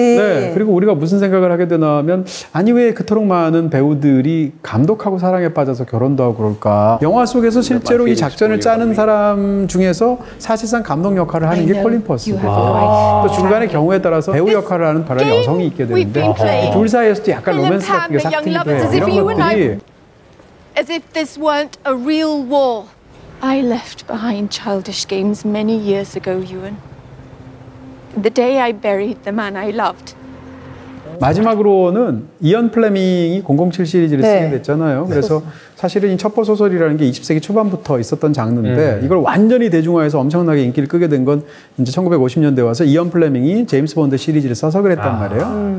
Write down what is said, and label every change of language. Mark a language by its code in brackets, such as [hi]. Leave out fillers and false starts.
[ko] 네, 그리고 우리가 무슨 생각을 하게 되냐면 아니 왜 그토록 많은 배우들이 감독하고 사랑에 빠져서 결혼도 하고 그럴까. 영화 속에서 실제로 이 작전을 짜는 사람 중에서 사실상 감독 역할을 하는 게 콜린 퍼스고 또 중간의 경우에 따라서 배우 역할을 하는 다른 여성이 있게 되는데 둘 사이에서도 약간 로맨스 같은 게 싹트기도 해요. 이런 것들이 [en] as if this weren't a real war. I left behind childish games many years ago, Ewan. The day I buried the man I loved. [ko] 마지막으로는 이언 플레밍이 007 시리즈를 네. 쓰게 됐잖아요. 그래서 사실은 이 첩보 소설이라는 게 20세기 초반부터 있었던 장르인데 이걸 완전히 대중화해서 엄청나게 인기를 끄게 된 건 이제 1950년대 와서 이언 플레밍이 제임스 본드 시리즈를 써서 그랬단 말이에요.